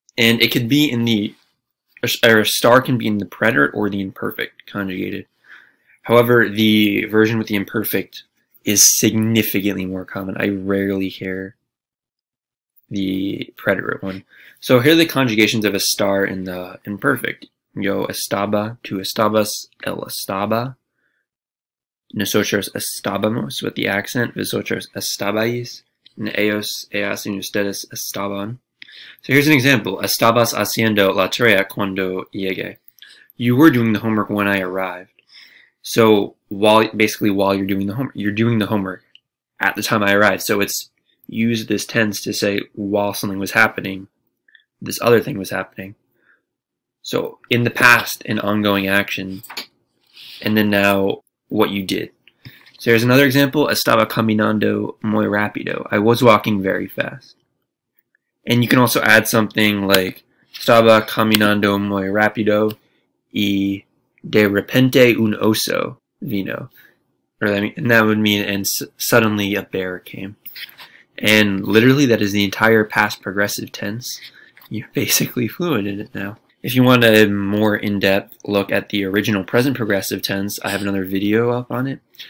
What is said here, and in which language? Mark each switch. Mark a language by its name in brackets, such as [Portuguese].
[English] And it could be in the, or a star can be in the preterite or the imperfect conjugated. However, the version with the imperfect is significantly more common. I rarely hear the preterite one. So here are the conjugations of a star in the imperfect. [Spanish] Yo estaba, tú estabas, él estaba. Nosotros estábamos, with the accent. Vosotros estabais. And ellos, ellas, y ustedes estaban. So here's an example. Estabas haciendo la tarea cuando llegué. [English] You were doing the homework when I arrived. So while you're doing the homework, you're doing the homework at the time I arrived. So it's use this tense to say while something was happening, this other thing was happening. So in the past, an ongoing action, and then now what you did. So here's another example. Estaba caminando muy rápido. I was walking very fast. And you can also add something like estaba caminando muy rápido y de repente un oso vino. And that would mean and suddenly a bear came. And literally, that is the entire past progressive tense. You're basically fluent in it now. If you want a more in-depth look at the original present progressive tense, I have another video up on it.